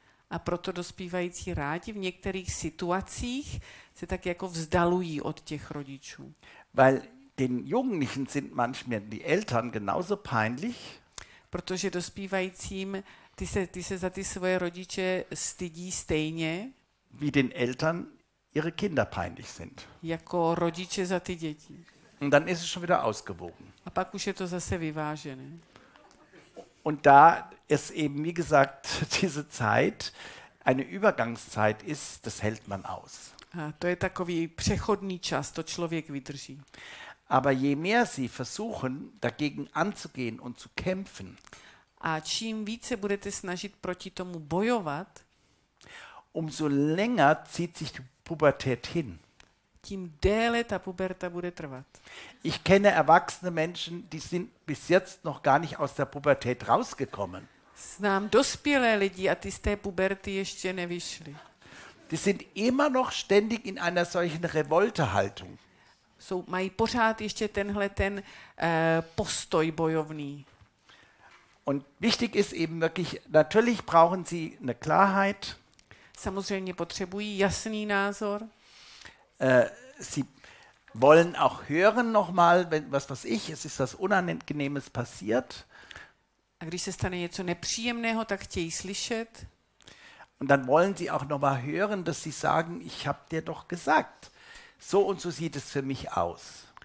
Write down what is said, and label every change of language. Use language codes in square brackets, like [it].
[cs] A proto dospívající rádi v některých situacích se tak jako vzdalují od těch rodičů. [de] Weil den Jugendlichen sind manchmal die Eltern genauso peinlich. [cs] Protože dospívajícím ty se za ty svoje rodiče stydí stejně. [de] Wie den Eltern ihre Kinder peinlich sind. [cs] Jako rodiče za ty děti. [de] Und dann ist es schon wieder ausgewogen. [cs] A pak už je to zase vyvážené. [de] Und da es eben, wie gesagt, diese Zeit eine Übergangszeit ist, das hält man aus. [cs] A to je takový přechodný čas, to člověk vydrží. [de] Aber je mehr sie versuchen, dagegen anzugehen und zu kämpfen, [cs] a čím více budete snažit proti tomu bojovat, [de] umso länger zieht sich die Pubertät hin. [cs] Tím déle ta puberta bude trvat. [de] Ich kenne erwachsene Menschen, die sind bis jetzt noch gar nicht aus der Pubertät rausgekommen. [cs] Znám dospělé lidi a ty z té puberty ještě nevyšli. [de] Die sind immer noch ständig in einer solchen Revoltehaltung. [cs] Mají pořád ještě tenhle ten postoj bojovný. [de] Und wichtig ist eben wirklich, natürlich brauchen sie eine Klarheit. [cs] Samozřejmě potřebují jasný názor. [de] Sie wollen auch hören nochmal, wenn was ich, es ist was Unangenehmes passiert. [cs] A když se stane něco nepříjemného, tak chtějí slyšet. [de] Und dann wollen sie auch nochmal hören, dass sie sagen, ich habe dir doch gesagt, so und so sieht es für mich aus.